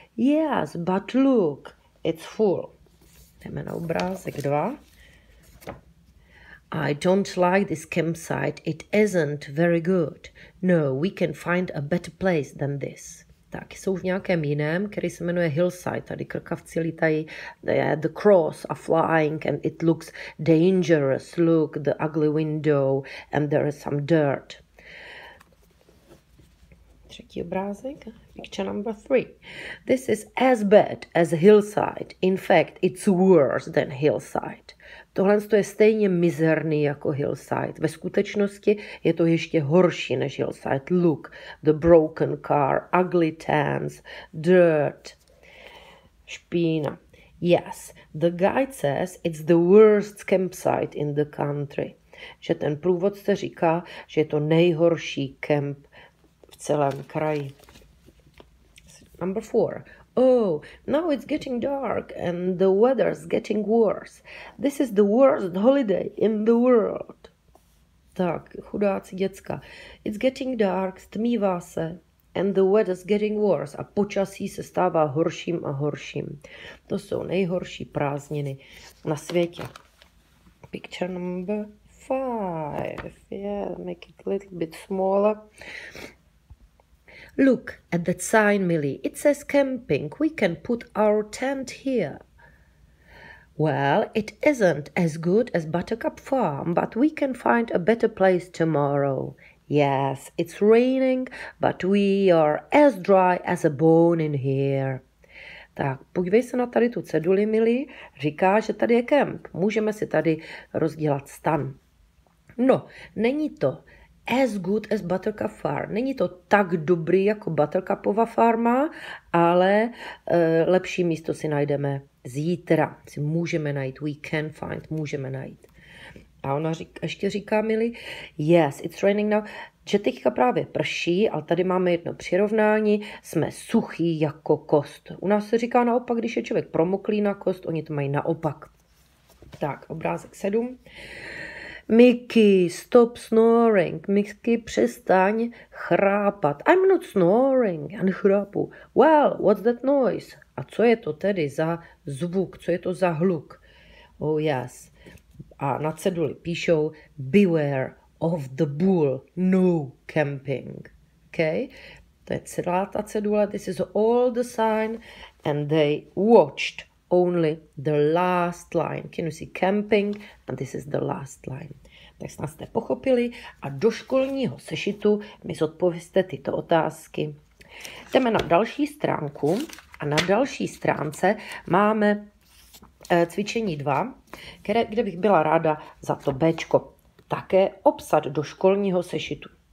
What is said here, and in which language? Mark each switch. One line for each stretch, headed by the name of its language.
English: Yes, but look, it's full.
Czech: Jdeme na obrázek 2.
English: I don't like this campsite. It isn't very good. No, we can find a better place than this.
Czech: Tak, jsou v nějakém jiném, který se jmenuje Hillside. Tady krkavci lítají.
English: The crows are flying and it looks dangerous. Look, the ugly window and there is some dirt.
Czech: Třetí obrázek,
English: picture number 3. This is as bad as Hillside. In fact, it's worse than Hillside.
Czech: Tohle je stejně mizerný jako Hillside. Ve skutečnosti je to ještě horší než Hillside.
English: Look, the broken car, ugly tents, dirt, špína. Yes, the guide says it's the worst campsite in the country.
Czech: Že ten průvodce říká, že je to nejhorší kemp v celém kraji.
English: Number 4. Oh, now it's getting dark and the weather's getting worse. This is the worst holiday in the world.
Czech: Tak, chudáci děcka.
English: It's getting dark,
Czech: stmívá se,
English: and the weather's getting worse.
Czech: A počasí se stává horším a horším. To jsou nejhorší prázdniny na světě.
English: Picture number 5. Yeah, make it a little bit smaller. Look at that sign, Millie. It says camping. We can put our tent here. Well, it isn't as good as Buttercup Farm, but we can find a better place tomorrow. Yes, it's raining, but we are as dry as a bone in here.
Czech: Tak, podívej se na tady tu ceduli, Millie. Říká, že tady je kemp. Můžeme si tady rozdělat stan. No, není to
English: as good as
Czech: Buttercup Farm. Není to tak dobrý jako Buttercupova farma, ale lepší místo si najdeme zítra. Si můžeme najít,
English: we can find,
Czech: můžeme najít. A ona ještě říká, Milly,
English: yes, it's raining now,
Czech: že teďka právě prší, ale tady máme jedno přirovnání, jsme suchý jako kost. U nás se říká naopak, když je člověk promoklý na kost, oni to mají naopak. Tak, obrázek 7. Mickey,
English: stop snoring.
Czech: Mickey, přestaň chrápat.
English: I'm not snoring.
Czech: Já nechrápu.
English: Well, what's that noise?
Czech: A co je to tedy za zvuk? Co je to za hluk?
English: Oh yes.
Czech: A na ceduli píšou,
English: beware of the bull. No camping. OK?
Czech: To je celá ta cedula.
English: This is all the sign. And they watched only the last line. Can you see camping? And this is the last line.
Czech: Tak snad jste pochopili a do školního sešitu mi zodpovězte tyto otázky. Jdeme na další stránku a na další stránce máme cvičení 2, kde bych byla ráda za to Bčko také obsat do školního sešitu.